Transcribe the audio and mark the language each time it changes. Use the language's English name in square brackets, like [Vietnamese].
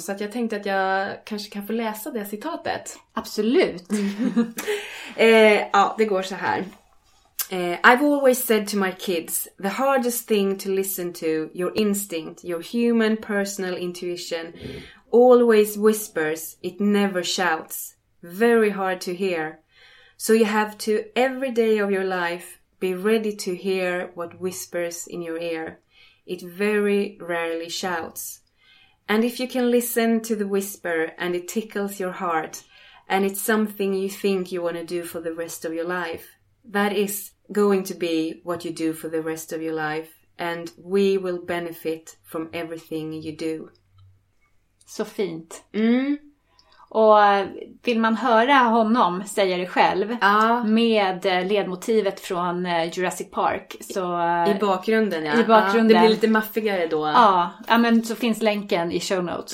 [Swedish] Så att jag tänkte att jag kanske kan få läsa det citatet. Absolut. ja, det går så här. [English] I've always said to my kids, the hardest thing to listen to, your instinct, your human personal intuition, always whispers, it never shouts. Very hard to hear. So you have to, every day of your life, be ready to hear what whispers in your ear. It very rarely shouts. And if you can listen to the whisper and it tickles your heart and it's something you think you want to do for the rest of your life, that is going to be what you do for the rest of your life and we will benefit from everything you do. [Swedish] Så fint. Mm. Och vill man höra honom säga det själv med ledmotivet från Jurassic Park. Så, I bakgrunden, ja. I bakgrunden. Det blir lite maffigare då. Ja, men så finns länken i show notes.